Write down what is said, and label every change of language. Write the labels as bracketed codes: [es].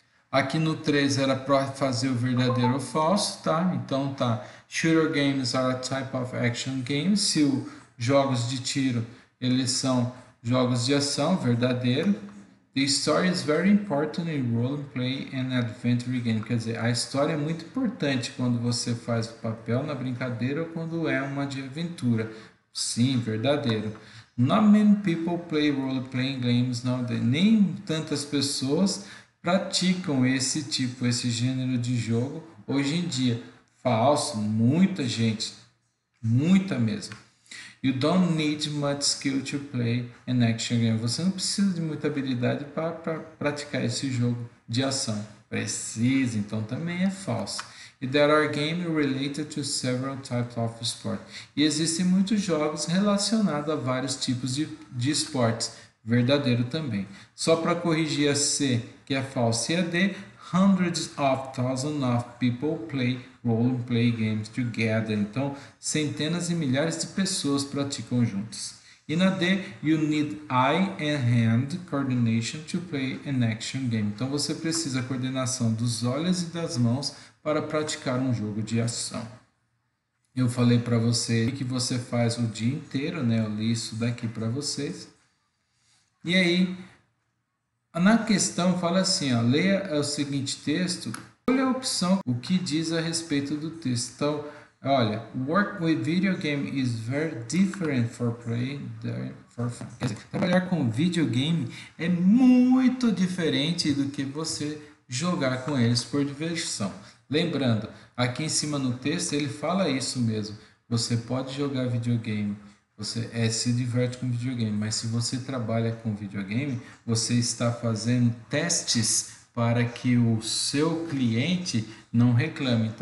[pt] Aqui no 3 era para fazer o verdadeiro ou falso, tá? Então, tá. [en] Shooter games are a type of action game. [pt] Se os jogos de tiro, eles são jogos de ação, verdadeiro. [en] The story is very important in role-play and adventure game. [pt] Quer dizer, a história é muito importante quando você faz o papel na brincadeira ou quando é uma de aventura. Sim, verdadeiro. [en] Not many people play role-playing games nowadays. [pt] Nem tantas pessoas praticam esse tipo, esse gênero de jogo hoje em dia. Falso, muita gente. Muita mesmo. [en] You don't need much skill to play an action game. [pt] Você não precisa de muita habilidade para praticar esse jogo de ação. Precisa, então também é falso. [en] E there are games related to several types of sport. [pt] E existem muitos jogos relacionados a vários tipos de esportes. Verdadeiro também. Só para corrigir a C, que é falso, e a D, [en] hundreds of thousands of people play role-play games together. [pt] Então, centenas e milhares de pessoas praticam juntos. E na D, [en] you need eye and hand coordination to play an action game. [pt] Então, você precisa coordenação dos olhos e das mãos para praticar um jogo de ação. Eu falei para você que você faz o dia inteiro, né? Eu li isso daqui para vocês. E aí, na questão fala assim, ó, leia o seguinte texto. Olha a opção, o que diz a respeito do texto. Então, olha, [en] work with video game is very different for play than for fun. [pt] Quer dizer, trabalhar com videogame é muito diferente do que você jogar com eles por diversão. Lembrando, aqui em cima no texto ele fala isso mesmo. Você pode jogar videogame, você se diverte com videogame, mas se você trabalha com videogame, você está fazendo testes para que o seu cliente não reclame.